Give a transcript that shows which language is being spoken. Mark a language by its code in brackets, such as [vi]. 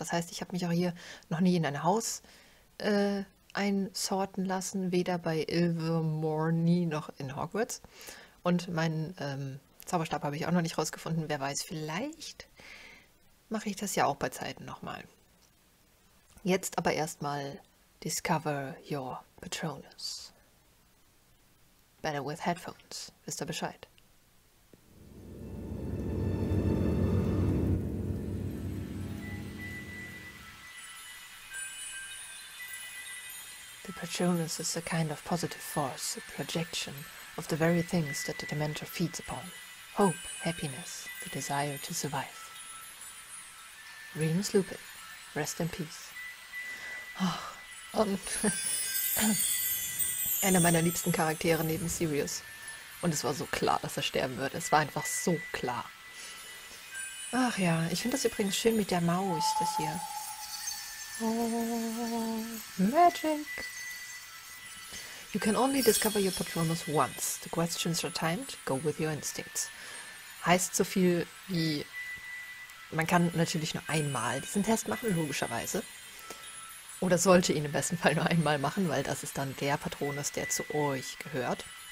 [de] Das heißt, ich habe mich auch hier noch nie in ein Haus einsorten lassen, weder bei Ilvermorny nie noch in Hogwarts. Und meinen Zauberstab habe ich auch noch nicht rausgefunden. Wer weiß, vielleicht mache ich das ja auch bei Zeiten nochmal. Jetzt aber erstmal Discover Your Patronus. [en] Better with Headphones. [de] Wisst ihr Bescheid? [en] Patronus is a kind of positive force, a projection of the very things that the Dementor feeds upon. Hope, happiness, the desire to survive. Remus Lupin, rest in peace. [de] Ach, einer meiner liebsten Charaktere neben Sirius. Und es war so klar, dass er sterben würde. Es war einfach so klar. Ach ja, ich finde das übrigens schön mit der Maus, das hier. [en] Oh, Magic! You can only discover your Patronus once. The questions are timed. Go with your instincts. [de] Heißt so viel wie, man kann natürlich nur einmal diesen Test machen, logischerweise. Oder sollte ihn im besten Fall nur einmal machen, weil das ist dann der Patronus, der zu euch gehört.